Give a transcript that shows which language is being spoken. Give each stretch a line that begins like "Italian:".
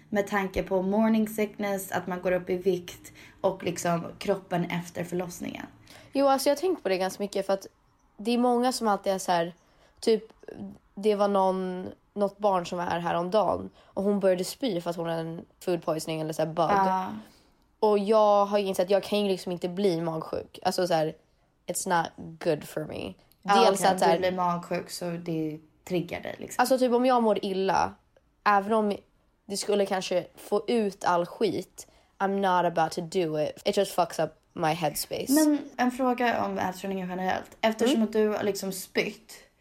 Swedish: Med tanke på morning sickness, att man går upp i vikt och liksom kroppen efter förlossningen. Jo, alltså jag har tänkt på det ganska mycket för att det är många som alltid är så här. Typ, det var någon något barn som var här om dagen och hon började spy för att hon hade en food poisoning eller så här bug. Och jag har ju insett att jag kan ju liksom inte bli magsjuk. Alltså så här,
English: it's not good for me.
Swedish: Dels att du blir magsjuk så det triggar dig liksom. Alltså typ om jag mår illa, även om det skulle kanske få ut all skit,
English: I'm not about to do it. It just fucks up my headspace.
Swedish: Men en fråga om ätstörningen generellt. Eftersom att du har liksom spytt.